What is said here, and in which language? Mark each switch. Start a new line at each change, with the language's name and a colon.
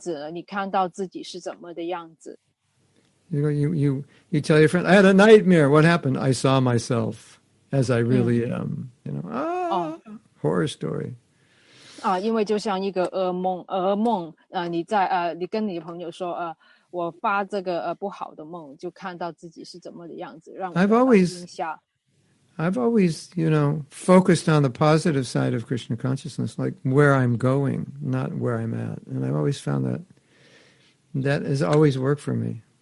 Chinese: 那我讲到自我反省，就像一面镜子，你看到自己是怎么的样子。
English: You tell your friend, I had a nightmare. What happened? I saw myself as I really am. You know, horror story.
Chinese: 因为就像一个噩梦，你跟你朋友说，我发这个不好的梦，就看到自己是怎么的样子，让我惊吓。
English: I've always, you know, focused on the positive side of Krishna consciousness, like where I'm going, not where I'm at. And I've always found that has always worked for me.